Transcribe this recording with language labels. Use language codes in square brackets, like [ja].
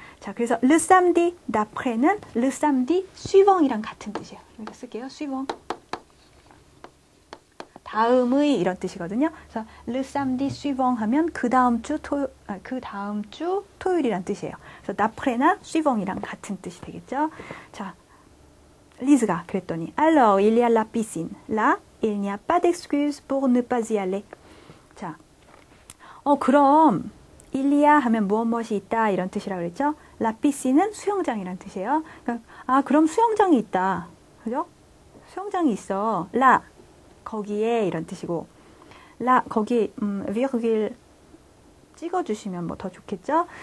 [ko] 자, 그래서 [fr] le samedi d'après [ko] 는 [fr] le samedi suivant [ko] 이랑 같은 뜻이에요. 여기 쓸게요. suivant. 다음의 이런 뜻이거든요. 그래서 [fr] le samedi suivant [ko] 하면 그 다음 주 토요일이란 뜻이에요. 그래서 d'après나 suivant이랑 같은 뜻이 되겠죠. 자, 리즈가 그랬더니 [fr] Alors, il y a la piscine. Là, il n'y a pas d'excuse pour ne pas y aller. [ko] 자, 그럼 일리아 하면 무엇무엇이 있다 이런 뜻이라고 그랬죠? 라피시는 수영장이란 뜻이에요. 그러니까, 아, 그럼 수영장이 있다. 그죠? 수영장이 있어. 라, 거기에 이런 뜻이고. 라, 거기, virgule 찍어주시면 뭐더 좋겠죠?